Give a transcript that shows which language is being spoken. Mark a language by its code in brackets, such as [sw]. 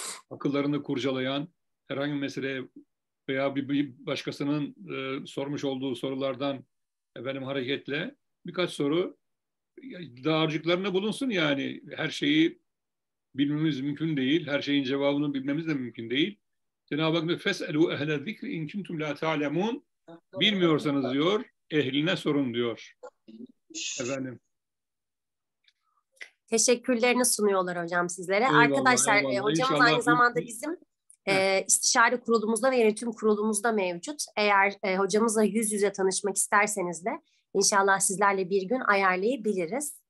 [tr] Akıllarını kurcalayan, herhangi bir meseleye veya bir başkasının sormuş olduğu sorulardan efendim hareketle birkaç soru dağarcıklarına bulunsun yani. Her şeyi bilmemiz mümkün değil. Her şeyin cevabını bilmemiz de mümkün değil. Cenab-ı Hak diyor, [ar] فَسْأَلُوا اَهْلَ الذِّكْرِ اِنْ كُنْتُمْ لَا تَعْلَمُونَ. [tr] Bilmiyorsanız diyor, ehline sorun diyor. Efendim. Teşekkürlerini sunuyorlar hocam sizlere. Eyvallah, arkadaşlar, eyvallah. Hocamız İnşallah aynı zamanda bizim istişare kurulumuzda ve yönetim kurulumuzda mevcut. Eğer hocamızla yüz yüze tanışmak isterseniz de inşallah sizlerle bir gün ayarlayabiliriz.